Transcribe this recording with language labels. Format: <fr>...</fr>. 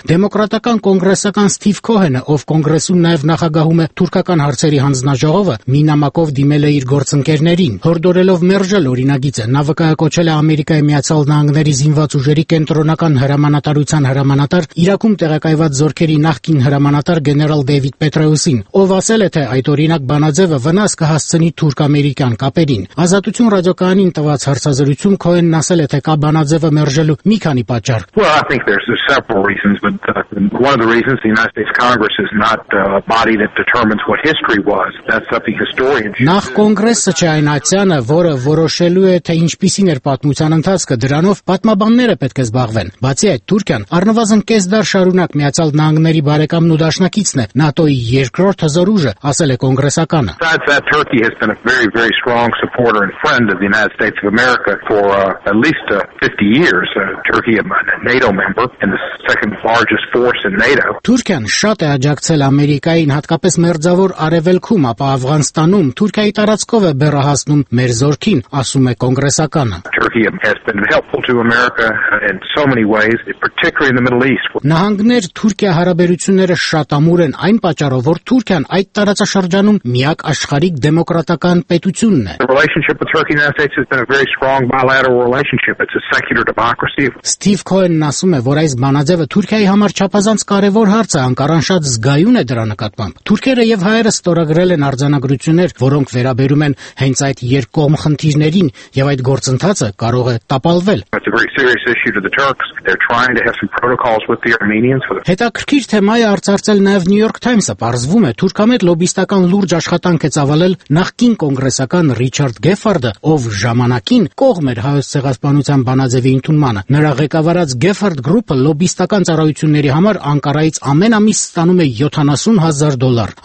<hy>Դեմոկրատական կոնգրեսական Սթիվ Քոհենը, ով կոնգրեսում նաև նախագահում է թուրքական հարցերի հանձնաժողովը, մինամակով դիմել է իր գործընկերներին, հորդորելով մերժել օրինագիծը։ Նա վկայակոչել է Ամերիկայի Միացյալ Նահանգների զինված ուժերի կենտրոնական հրամանատարության հրամանատար, Իրաքում տեղակայված զորքերի նախկին հրամանատար գեներալ Դեյվիդ Պետրոյուսին, ով ասել է, թե այդ օրինակ բանաձևը վնաս կհասցնի թուրք-ամերիկյան կապերին։ Ազատություն ռադիոկայանին տված հարցազրույցում Cohen-ն ասել է, թե կա բանաձևը մերժելու մի քանի պատճառ։</hy> <en>Well, I think there's several reasons, but one of the reasons the United States Congress is not the body that determines what history was. That's up to historians.</en> <hy>Նախ կոնգրեսը չէ այն ացանը, որը որոշելու է, թե ինչպիսին էր պատմության ընթացքը, դրանով պատմաբանները պետք է զբաղվեն։ Բացի այդ, Թուրքիան առնվազն կես դար շարունակ Միացյալ Նահանգների բարեկամն ու դաշնակիցն է, ՆԱՏՕ-ի երկրորդ հզորուժը, ասել է կոնգրեսականը։</hy> <en>Turkey has been a very, very strong supporter and friend of the United States of America for at least 50 years. Turkey is a NATO member and the second largest force in NATO.</en> <hy>Թուրքիան շատ է աջակցել Ամերիկային, հատկապես մերձավոր արևելքում, ապա Աֆղանստանում Թուրքիայի տարածքով է բեռահասնում մեր զորքին, ասում է կոնգրեսականը։</hy> <en>Turkey has been helpful to America in so many ways, particularly in the Middle East.</en> <hy>Նահանգներ Թուրքիա հարաբերությունները շատ ամուր են, այն պատճառով, որ Թուրքիան այդ տարածաշրջանում միակ աշխարհիկ դեմոկրատական պետությունն է։</hy> <en>The relationship with Turkey and the United States has been a very strong bilateral relationship. It's a secular democracy.</en> <hy>Steve Cohen-ն ասում է, որ այս բանաձևը Թուրքիայի համար չափազանց կարևոր հարց է, Անկարան շատ զգայուն է դրա նկատմամբ։ Թուրքերը եւ հայերը ստորագրել են արձանագրություններ, որոնք վերաբերում են հենց այդ երկկողմ խնդիրներին, եւ այդ գործընթացը կարող է տապալվել։</hy> <en>It's a very serious issue to the Turks. They're trying to have some protocols with the Armenians for the</en> <hy>Հետաքրքիր թեմայ արձարծել նաեւ New York Times-ը, պարզվում է, թուրքամետ լոբիստական լուրջ աշխատանք է ծավալել նախկին կոնգրեսական Ռիչարդ Գեֆարդը, ով ժամանակին կողմ էր հայոց ցեղասպանության Ադրբեջան բանաձևի ընդունմանը։ Նրա ղեկավարած Gefford Group-ը լոբիստական ծառայությունների համար Անկարայից ամեն ամիս ստանում է $70,000.</hy>